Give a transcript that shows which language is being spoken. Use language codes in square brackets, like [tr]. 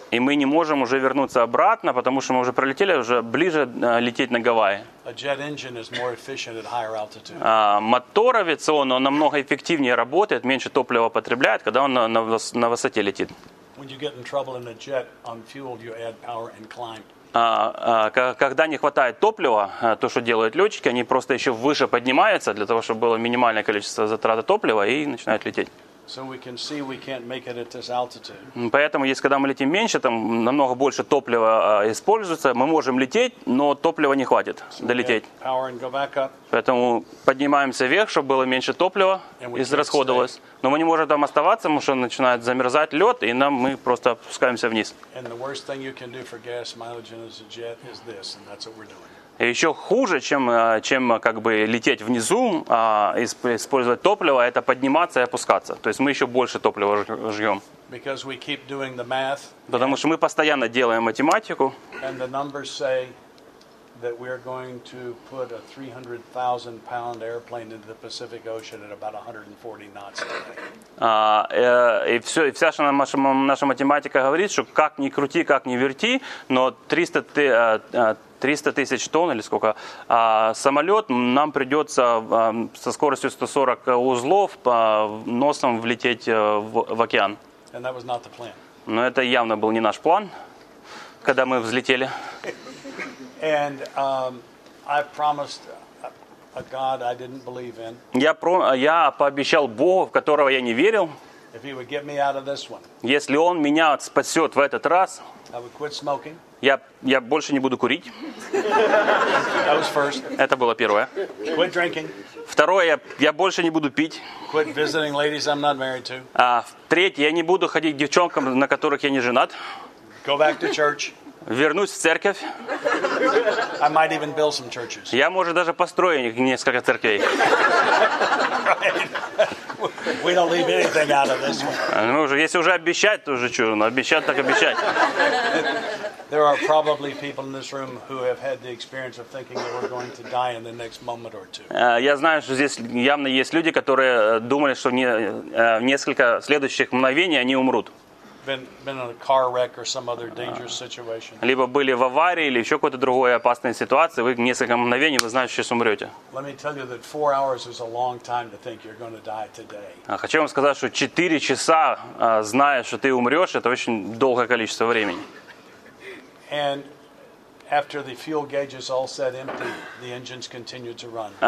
[ru] И мы не можем уже вернуться обратно, потому что мы уже пролетели, уже ближе лететь на Гавайи. [en] A jet engine is more efficient at higher altitude. [ru] Мотор авиационный, он намного эффективнее работает, меньше топлива потребляет, когда он на высоте летит. [en] When you get in trouble in a jet on fuel, you add power and climb. [ru] Когда не хватает топлива, то, что делают летчики, они просто еще выше поднимаются для того, чтобы было минимальное количество затраты топлива, и начинают лететь. [en] So we can see we can't make it at this altitude. [ru] Поэтому, если когда мы летим меньше, там намного больше топлива используется, мы можем лететь, но топлива не хватит долететь. [en] Power and go back up. [ru] Поэтому поднимаемся вверх, чтобы было меньше топлива израсходовалось. Но мы не можем там оставаться, потому что начинает замерзать лед, и мы просто опускаемся вниз. [en] And the worst thing you can do for gas mileage in a jet is this, and that's what we're doing. [ru] И еще хуже, чем как бы лететь внизу, использовать топливо, это подниматься и опускаться. То есть мы еще больше топлива жжем. [en] Because we keep doing the math. [ru] Потому что мы постоянно делаем математику. [en] And the numbers say that we're going to put a 300,000 pound airplane into the Pacific Ocean at about 140 knots. [ru] И вся наша математика говорит, что как ни крути, как ни верти, но 300 тысяч тонн или сколько, самолет нам придется со скоростью 140 узлов по носом влететь в океан. [en] And that was not the plan. [ru] Но это явно был не наш план, когда мы взлетели. [en] And I promised a God I didn't believe in. [ru] Я пообещал Богу, в которого я не верил. [en] If he would get me out of this one. [ru] Если он меня спасет в этот раз. [en] I would quit smoking. [ru] Я больше не буду курить. [en] That was first. [ru] Это было первое. [en] Quit drinking. [ru] Второе, я больше не буду пить. [en] Quit visiting ladies I'm not married to. [ru] Третье, я не буду ходить к девчонкам, на которых я не женат. [en] Go back to church. [ru] Вернусь в церковь. [en] I might even build some churches. [ru] Я, может, даже построю несколько церквей. [en] Right. We don't leave anything out of this one. [ru] Ну, если уже обещать, то уже чудо. Обещать, так обещать. [en] There are probably people in this room who have had the experience of thinking that we're going to die in the next moment or two. [ru] Я знаю, что здесь явно есть люди, которые думали, что в несколько следующих мгновений они умрут. [en] Been in a car wreck or some other dangerous situation. [ru] Либо были в аварии или еще какой-то другой опасной ситуации, вы несколько мгновений вы знаете, что умрете. [en] Let me tell you that 4 hours is a long time to think you're going to die today. [ru] Хочу вам сказать, что 4 часа, зная, что ты умрешь, это очень долгое количество времени. [en] And after the fuel gauges all set empty, the engines continued to run.